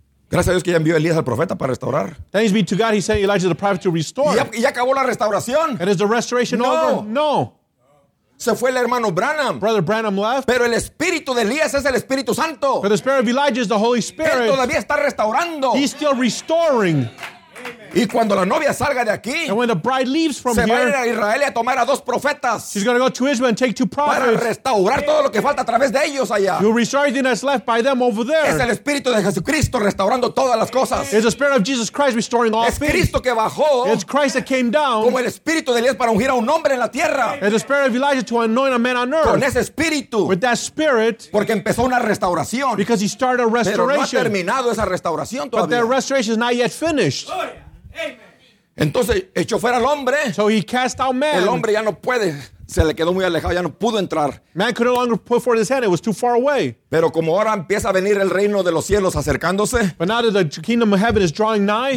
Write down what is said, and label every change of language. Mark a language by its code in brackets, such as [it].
[es] Gracias a Dios que ya envió a Elías al profeta para restaurar. [en] Thanks be to God, he sent Elijah the prophet to restore. [es] Y ya acabó la restauración. [en] And is the restoration no over? [es] No. Se fue el hermano Branham. [en] Brother Branham left. [es] Pero el espíritu de Elías es el Espíritu Santo. [en] But the spirit of Elijah is the Holy Spirit. [es] Él todavía está restaurando. [en] He's still restoring. [es] Y cuando la novia salga de aquí, [en] and when the bride leaves from [es] se [en] here, [es] va a ir a Israel y a tomar a dos profetas. [en] She's going to go to Israel and take two prophets. [es] Para restaurar todo lo que falta a través de ellos allá. [en] You'll restore everything that's left by them over there. [es] Es el Espíritu de Jesucristo restaurando todas las cosas. [en] It's the Spirit of Jesus Christ restoring all [es] es [en] things. [es] Es Cristo que bajó. [en] It's Christ that came down. [es] Como el Espíritu de Elías para ungir a un hombre en la tierra. [en] It's the Spirit of Elijah to anoint a man on earth. [es] Con ese Espíritu. [en] With that Spirit. [es] Porque empezó una restauración. [en] Because he started a restoration. [es] Pero no ha terminado esa restauración todavía. [en] But their restoration is not yet finished. [es] Entonces echó fuera al hombre. [en] So he cast out man. [es] El hombre ya no puede. Se le quedó muy alejado. Ya no pudo entrar. [en] Man could no longer put forth his hand. It was too far away. [es] Pero como ahora empieza a venir el reino de los cielos acercándose. [en] But now that the kingdom of heaven is drawing nigh.